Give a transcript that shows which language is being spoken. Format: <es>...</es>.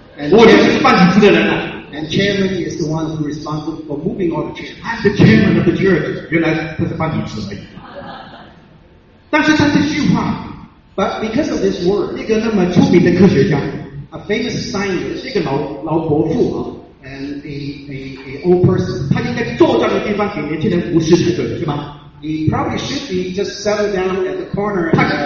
<zh>我就是搬椅子的人啊。</zh> <en>And chairman is the one who is responsible for moving all the chairs. I'm the chairman of the church.</en> <zh>原来他是搬椅子而已。但是他这句话</zh> <en>But because of this work,</en> <zh>一个那么出名的科学家</zh> <en>，a famous scientist，</en> <zh>一个老伯父啊</zh> <en>，and a old person，</en> <zh>他应该坐在那个地方给年轻人服侍才对，是吗？</zh> <en>He probably should be just settled down at the corner and</en>